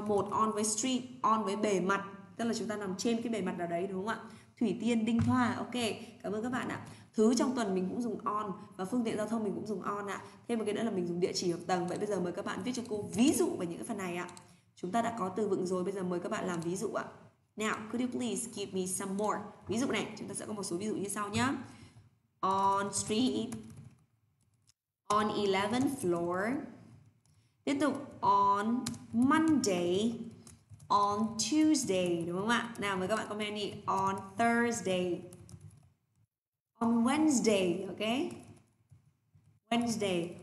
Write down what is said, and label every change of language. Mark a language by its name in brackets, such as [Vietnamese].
[Vietnamese] Một, on với street, on với bề mặt. Tức là chúng ta nằm trên cái bề mặt nào đấy đúng không ạ? Thủy Tiên, Đinh Thoa, ok. Cảm ơn các bạn ạ. Thứ trong tuần mình cũng dùng on và phương tiện giao thông mình cũng dùng on ạ. Thêm một cái nữa là mình dùng địa chỉ hoặc tầng. Vậy bây giờ mời các bạn viết cho cô ví dụ về những cái phần này ạ. Chúng ta đã có từ vựng rồi, bây giờ mời các bạn làm ví dụ ạ. [English] Now, could you please give me some more? [Vietnamese] Ví dụ này, chúng ta sẽ có một số ví dụ như sau nhé. [English] On street, on 11th floor. [Vietnamese] Tiếp tục, [English] on Monday, on Tuesday, [Vietnamese] đúng không ạ? Nào, mời các bạn comment đi. [English] On Thursday, on Wednesday, ok? Wednesday.